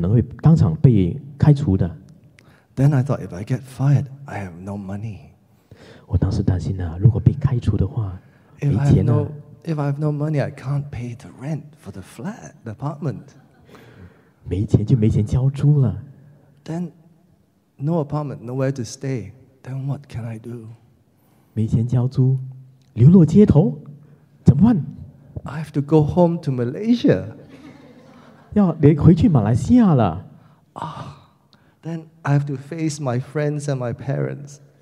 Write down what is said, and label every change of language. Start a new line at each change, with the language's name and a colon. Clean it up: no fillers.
Chinese: 因为当时我觉得我那间是美国公司，而我才工作一个月，如果真的有出差错的话，我可能会当场被开除的。
English: Then I thought if I get fired, I have no money.
Chinese: 我当时担心呢，如果被开除的话，没钱呢。
English: If I have no money, I can't pay the rent for the flat, the apartment.
Chinese: 没钱就没钱交租了。
English: Then no apartment, nowhere to stay. Then what can I do?
Chinese: 没钱交租，流落街头，怎么办？
English: I have to go home to Malaysia.
Chinese: 要回去马来西亚了。Ah,
English: then I have to face my friends and my parents.